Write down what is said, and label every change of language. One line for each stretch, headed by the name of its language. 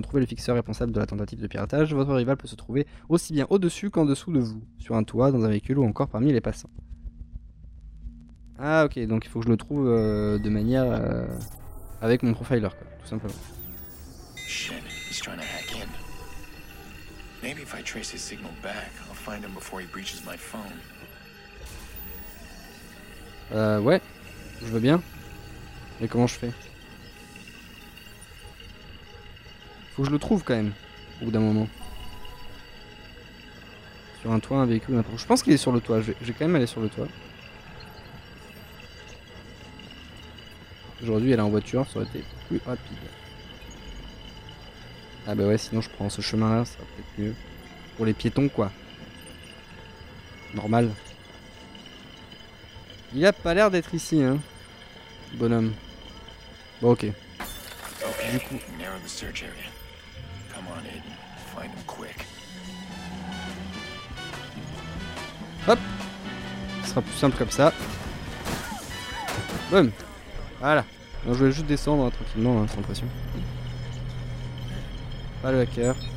French: Trouvez le fixeur responsable de la tentative de piratage. Votre rival peut se trouver aussi bien au-dessus qu'en dessous de vous, sur un toit, dans un véhicule ou encore parmi les passants. Ah ok, donc il faut que je le trouve de manière avec mon profiler, quoi, tout simplement.
English: He's trying to hack in. Maybe if I trace his signal back, I'll find him before he breaches my phone.
French: Ouais, je veux bien. Mais comment je fais? Faut que je le trouve quand même, au bout d'un moment. Sur un toit, un véhicule, n'importe où. Je pense qu'il est sur le toit, je vais quand même aller sur le toit. Aujourd'hui, elle est en voiture, ça aurait été plus rapide. Ah bah ouais, sinon je prends ce chemin là, ça va peut-être mieux. Pour les piétons quoi. Normal. Il a pas l'air d'être ici hein. Bonhomme. Bon ok. Ok, du coup.
English: Narrow the search area. Come on Aiden, find him quick.
French: Hop. Ce sera plus simple comme ça. Boum. Voilà. Non, je vais juste descendre hein, tranquillement hein, sans pression. Pas le hacker.